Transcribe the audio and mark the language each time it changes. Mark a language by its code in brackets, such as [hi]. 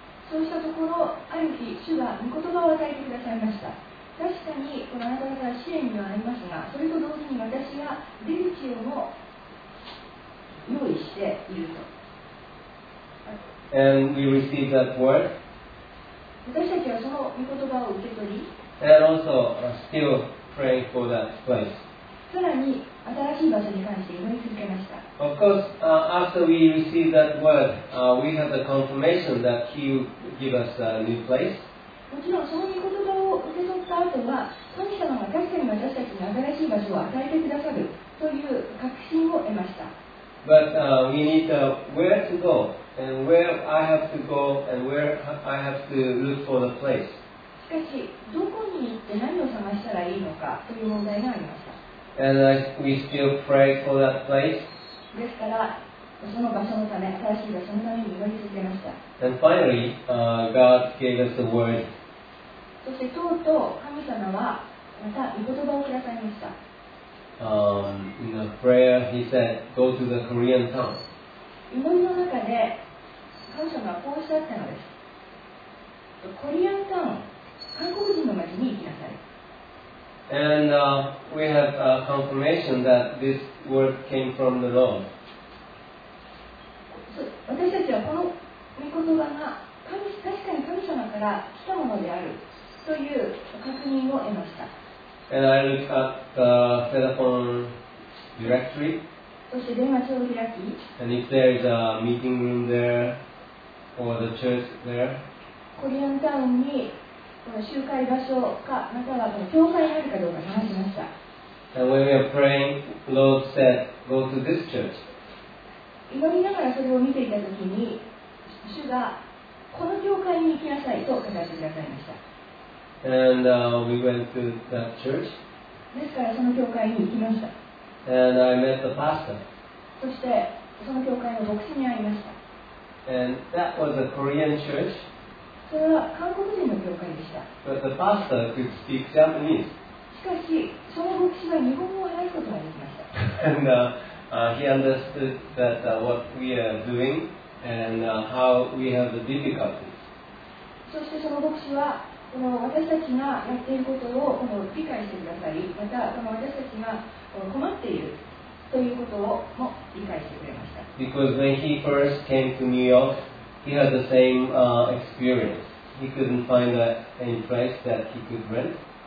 [ja] そうしたところ、ある日、主が御言葉を与えてくださいました。確かに、このあなた方は試練にはありますが、それと同時に私が出口をも用意していると。 [en] And we received that word. [ja] 私たちはその御言葉を受け取り、 [en] And also still praying for that place. [ja] さらに、新しい場所に関して祈り続けました。 [en] Of course, after we receive that word, we have the confirmation that He will give us a new place. [ja] もちろんその御言葉を受け取った後は、神様が確かに私たちに新しい場所を与えてくださるという確信を得ました。 [en] But we need where to go, and where I have to go, and where I have to look for the place. [ja] しかし、どこに行って何を探したらいいのかという問題がありました。 [en] And we still pray for that place. [ja] ですから、その場所のため、新しい場所のために祈り続けました。 [en] And finally, God gave us the word. [ja] そしてとうとう神様はまた御言葉をくださいました。 [en] In the prayer, he said, "Go to the Korean town." [ja] 祈りの中で神様はこうおっしゃったのです。コリアンタウン、韓国人の町に行きなさい。 [en] And we have a confirmation that this word came from the Lord. [ja] 私たちはこの御言葉が確かに神様から来たものであるという確認を得ました。 [en] And I looked at the telephone directory. [ja] そして電話帳を開き。 [en] And if there is a meeting room there or the church there. [ja] コリアンタウンに。この集会場所か、またはこの教会にあるかどうか探しました。 [en] And when we are praying, Lord said, go to this church. [ja] 祈りながらそれを見ていたときに、主がこの教会に行きなさいと語ってくださいました。 [en] And we went to that church. [ja] ですからその教会に行きました。 [en] And I met the pastor. [ja] そしてその教会の牧師に会いました。 [en] And that was a Korean church. [ja] それは韓国人の教会でした。 [en] But the pastor could speak Japanese. [ja] しかし、その牧師が日本語を話すことができました。 [en] And he understood that what we are doing and how we have the difficulties. [ja] そしてその牧師は、この私たちがやっていることをこの理解してくださり、またこの私たちが困っているということをも理解してくれました。 [en] Because when he first came to New York,He had the same experience. He couldn't find any place that he could rent.